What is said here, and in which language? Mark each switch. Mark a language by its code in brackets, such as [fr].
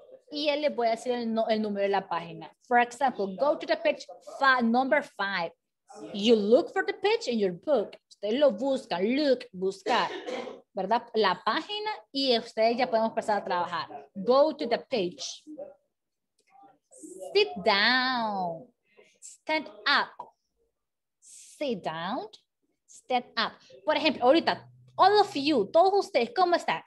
[es] Y él le voy a decir el número de la página. [en] For example, go to the page number five. You look for the page in your book. [es] Usted lo busca, look, buscar. ¿Verdad? La página y ustedes ya podemos empezar a trabajar. [en] Go to the page. Sit down. Stand up. Sit down. Stand up. [es] Por ejemplo, ahorita, [en] all of you, [es] todos ustedes, ¿cómo están?